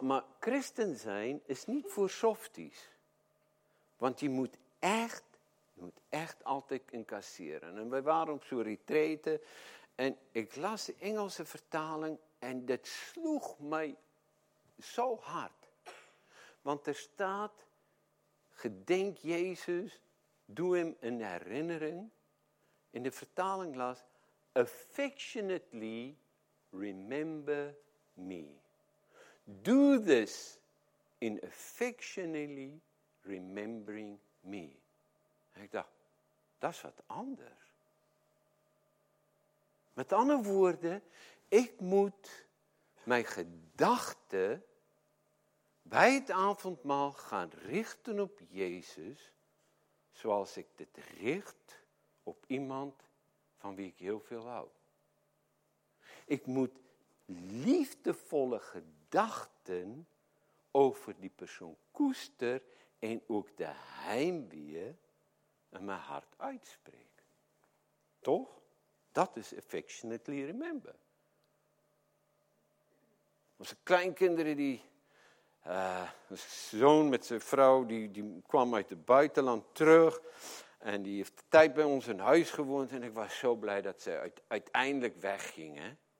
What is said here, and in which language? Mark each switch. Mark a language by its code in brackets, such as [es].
[nl] Maar christen zijn is niet voor softies. Want je moet echt altijd incasseren. En wij waren op zo'n retreten. En ik las de Engelse vertaling. En dat sloeg mij zo hard. Want er staat, gedenk Jezus, doe hem een herinnering. In de vertaling las, [en] affectionately remember me. Do this in affectionately remembering me. [nl] En ik dacht, dat is wat anders. Met andere woorden, ik moet mijn gedachten bij het avondmaal gaan richten op Jezus, zoals ik dit richt op iemand van wie ik heel veel hou. Ik moet liefdevolle gedachten over die persoon koester en ook de heimwee in mijn hart uitspreken. Toch? Dat is [en] affectionately remember. [nl] Onze kleinkinderen die, een zoon met zijn vrouw, die kwam uit het buitenland terug. En die heeft de tijd bij ons in huis gewoond. En ik was zo blij dat ze uiteindelijk wegging. Hè?